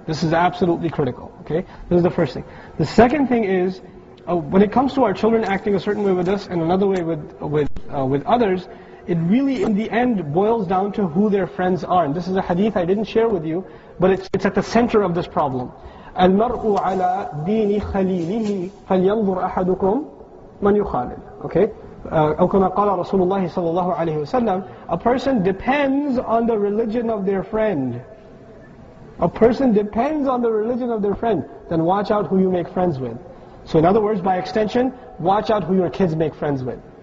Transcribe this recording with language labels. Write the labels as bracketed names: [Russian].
[English] This is absolutely critical. Okay? This is the first thing. The second thing is, when it comes to our children acting a certain way with us, and another way with others, it really, in the end, boils down to who their friends are. And this is a hadith I didn't share with you, but it's at the center of this problem. [Arabic] الْمَرْءُ عَلَىٰ دِينِ خَلِيلِهِ فَلْيَنْظُرْ أَحَدُكُمْ مَنْ يُخَالِلْ Okay? أَوْكَمَا قَالَ رَسُولُ اللَّهِ صَلَى اللَّهُ عَلَيْهِ وَسَلَّمْ [English] A person depends on the religion of their friend. A person depends on the religion of their friend. Then watch out who you make friends with. So in other words, by extension, watch out who your kids make friends with.